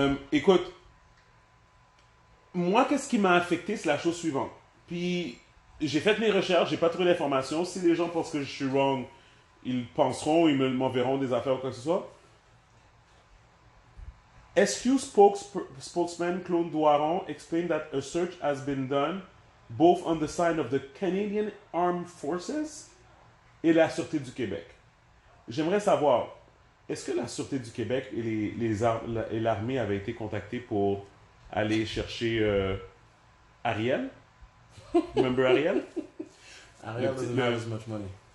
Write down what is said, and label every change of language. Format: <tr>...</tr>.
<fr>Écoute, moi, qu'est-ce qui m'a affecté, c'est la chose suivante. Puis, j'ai fait mes recherches, j'ai pas trouvé l'information. Si les gens pensent que je suis wrong, ils penseront, ils m'enverront des affaires ou quoi que ce soit.</fr> <en>SQ spokesman Claude Doiron explained that a search has been done both on the side of the Canadian Armed Forces et la Sûreté du Québec.</en> <fr>J'aimerais savoir, est-ce que la Sûreté du Québec et et l'armée avaient été contactées pour aller chercher Ariel?</fr> <en>Remember Ariel? Ariel doesn't have as much money.</en>